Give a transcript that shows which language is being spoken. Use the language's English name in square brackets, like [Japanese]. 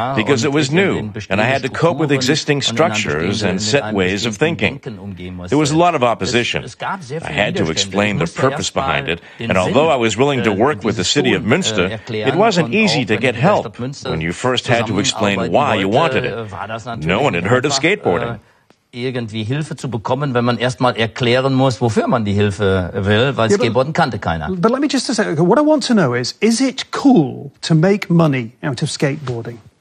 [English] because it was new, and I had to cope with existing structures and set ways of thinking. There was a lot of opposition. I had to explain the purpose behind it, and although I was willing to work with the city of Münster, it wasn't easy to get help when you first had to explain why you wanted it. No one had heard of skateboarding. [German] Irgendwie Hilfe zu bekommen, wenn man erstmal erklären muss, wofür man die Hilfe will, weil Skateboarden kannte keiner. [English] But let me just say, okay, what I want to know is it cool to make money out of skateboarding?